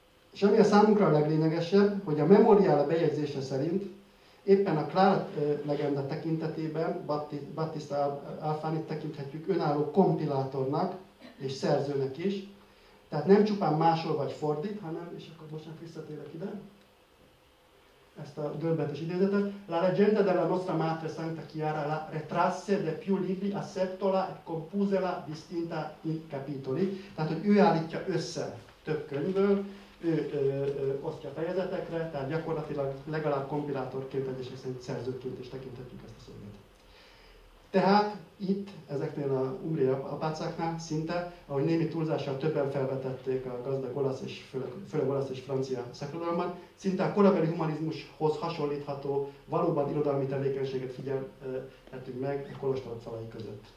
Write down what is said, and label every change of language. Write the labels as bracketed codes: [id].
[hu] És ami a számunkra a leglényegesebb, hogy a memoriál a bejegyzése szerint éppen a Clara legenda tekintetében Battista Alfánit tekinthetjük önálló kompilátornak és szerzőnek is, tehát nem csupán másol vagy fordít, hanem, és akkor most visszatérek ide, ezt a döbbenetes idézetet. [it] La leggenda della nostra madre Santa Chiara la retrasse de più libri a settola e compusela distinta in capitoli. [hu] Tehát, hogy ő állítja össze több könyvből, ő osztja fejezetekre, tehát gyakorlatilag legalább kompilátorként, és szerint szerzőként is tekinthetjük ezt a szöveget. Tehát itt, ezeknél a umbriai apácáknál szinte, ahogy némi túlzással többen felvetették a gazdag olasz és főleg olasz és francia szakradalomban, szinte a korabeli humanizmushoz hasonlítható, valóban irodalmi tevékenységet figyelhetünk meg a kolostor falai között.